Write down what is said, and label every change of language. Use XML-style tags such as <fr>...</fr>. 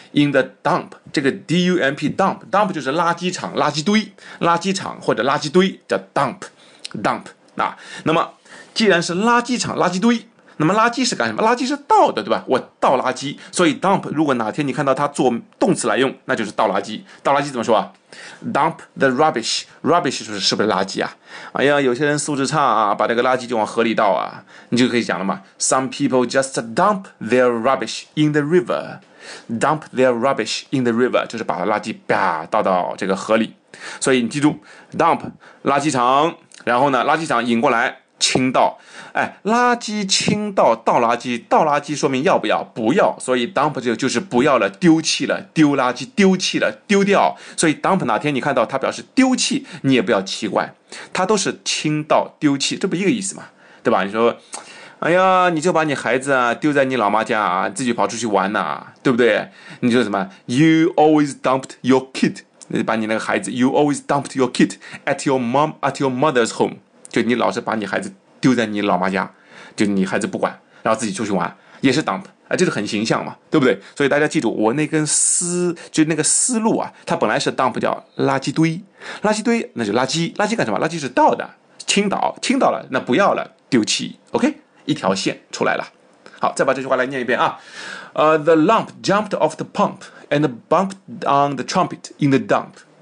<zh>in the dump， 这个 D-U-M-P dump 就是垃圾场，垃圾场或者垃圾堆叫 dump、啊，那么既然是垃圾场垃圾堆，那么垃圾是干什么？垃圾是倒的，对吧？我倒垃圾，所以 dump 如果哪天你看到它做动词来用，那就是倒垃圾。倒垃圾怎么说啊？</zh> <en>dump the rubbish，</en> <zh>rubbish 是不是垃圾啊？哎呀，有些人素质差啊，把这个垃圾就往河里倒啊，你就可以讲了嘛。</zh> <en>Some people just dump their rubbish in the river， dump their rubbish in the river</en> <zh>就是把垃圾啪倒到这个河里。所以你记住 dump 垃圾场，然后呢垃圾场引过来倾倒，哎，垃圾倾倒，倒垃圾说明要不要，不要，所以 dump 就是不要了，丢弃了，丢垃圾，丢弃了，丢掉，所以 dump 哪天你看到它表示丢弃，你也不要奇怪，它都是倾倒丢弃，这不一个意思吗？对吧？你说哎呀，你就把你孩子啊丢在你老妈家啊，自己跑出去玩啊，对不对？你说什么</zh> <en>you always dumped your kid，</en> <zh>把你那个孩子</zh> <en>you always dumped your kid at your mother's home，</en> <zh>就你老是把你孩子丢在你老妈家，就你孩子不管，然后自己出去玩，也是 dump，啊，这是很形象嘛，对不对？所以大家记住，我那根丝就那个丝路啊，它本来是 dump 叫垃圾堆，垃圾堆那就垃圾，垃圾干什么？垃圾是倒的，倾倒，倾倒了那不要了，丢弃。 OK， 一条线出来了。好，再把这句话来念一遍啊。</zh> <en>The lump jumped off the pump and bumped on the trumpet in the dump.</en>